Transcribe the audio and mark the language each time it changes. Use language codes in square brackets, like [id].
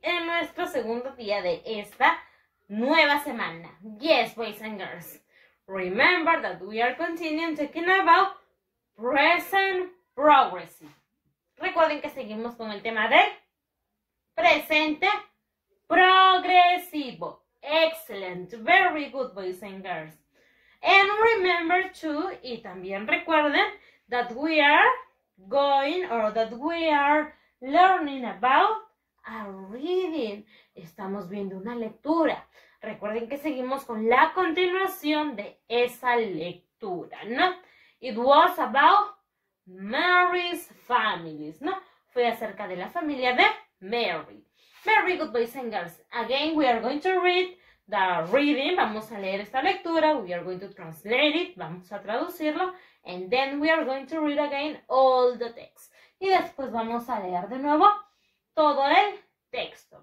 [es] En nuestro segundo día de esta nueva semana. [en] Yes, boys and girls. Remember that we are continuing talking about present progressive. [es] Recuerden que seguimos con el tema de presente progresivo. [en] Excellent. Very good, boys and girls. And remember too, [es] y también recuerden, [en] that we are going or that we are learning about a reading. [es] Estamos viendo una lectura. Recuerden que seguimos con la continuación de esa lectura, ¿no? [en] It was about Mary's families, ¿no? [es] Fue acerca de la familia de Mary. [en] Very good, boys and girls. Again, we are going to read the reading. [es] Vamos a leer esta lectura. [en] We are going to translate it. [es] Vamos a traducirlo. [en] And then we are going to read again all the text. [es] Y después vamos a leer de nuevo todo el texto.